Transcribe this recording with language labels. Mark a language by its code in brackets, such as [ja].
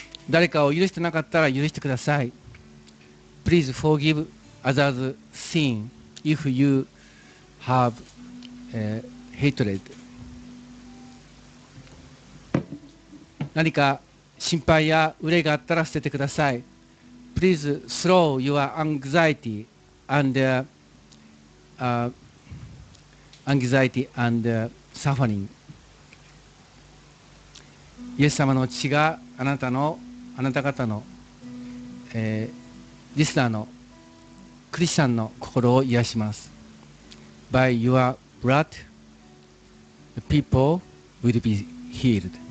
[ja] 誰かを許してなかったら許してください。 [en] Please forgive others sin if you have、hatred。 [ja] 何か心配や憂いがあったら捨ててください。 [en] Please throw your anxiety and anxiety and suffering。 [ja] イエス様の血があなた方の、リスナーのクリスチャンの心を癒します。 [en] By your blood the people will be healed。